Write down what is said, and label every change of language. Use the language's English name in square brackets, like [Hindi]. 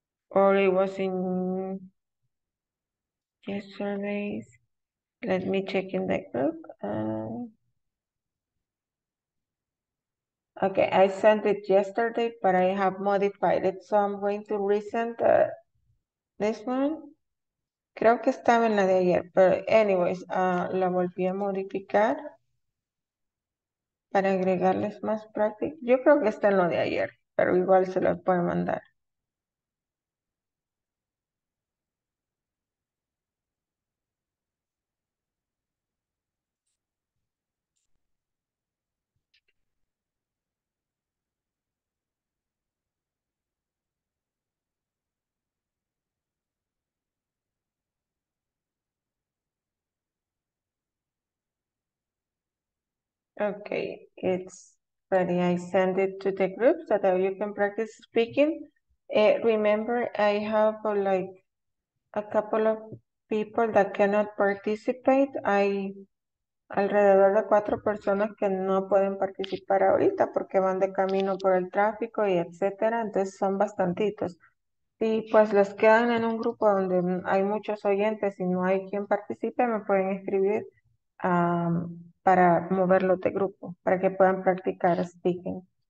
[English] Or it was in yesterday's. Let me check in the group. Okay, I sent it yesterday, but I have modified it. So I'm going to resend this one. [Spanish] Creo que estaba en la de ayer, pero anyways, la volví a modificar para agregarles más práctica. Yo creo que está en lo de ayer, pero igual se los puedo mandar. [English] Okay, it's ready. I send it to the group so that you can practice speaking. Remember, I have like a couple of people that cannot participate. [Spanish] Hay alrededor de 4 personas que no pueden participar ahorita porque van de camino por el tráfico y etcétera. Entonces son bastantitos. Y pues los quedan en un grupo donde hay muchos oyentes y no hay quien participe, me pueden escribir a para moverlo de grupo, para que puedan practicar speaking.